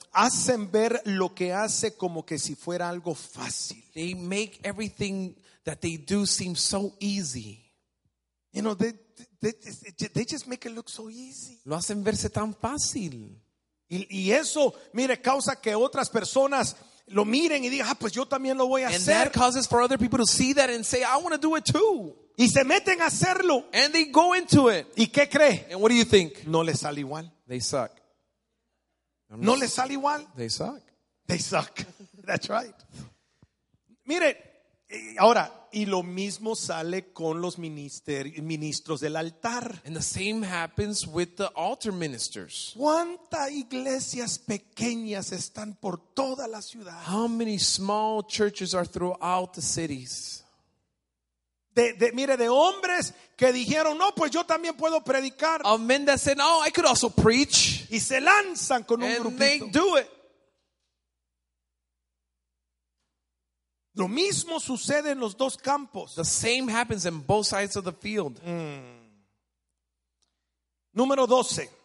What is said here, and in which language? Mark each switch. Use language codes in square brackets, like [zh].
[es] Hacen ver lo que hace como que si fuera algo fácil. [en] They make everything that they do seem so easy. You know, they just make it look so easy. [es] Lo hacen verse tan fácil. Y eso, mire, causa que otras personas lo miren y digan, ah, pues yo también lo voy a hacer. [en] And that causes for other people to see that and say, I want to do it too. [es] Y se meten a hacerlo. [en] And they go into it. [es] ¿Y qué cree? [en] And what do you think? [es] No les sale igual. [en] They suck. [es] No les sale igual. [en] They suck. They suck. That's right. [es] Mire, ahora, y lo mismo sale con los ministros del altar. [en] And the same happens with the altar ministers. [es] ¿Cuántas iglesias pequeñas están por toda la ciudad? [en] How many small churches are throughout the cities? [es] Mire, de hombres que dijeron, no, pues yo también puedo predicar. [en] Of men that said, oh, I could also preach. [es] Y se lanzan con un grupito. [en] And they do it. [es] Lo mismo sucede en los dos campos. [en] The same happens in both sides of the field. [es] Número 12.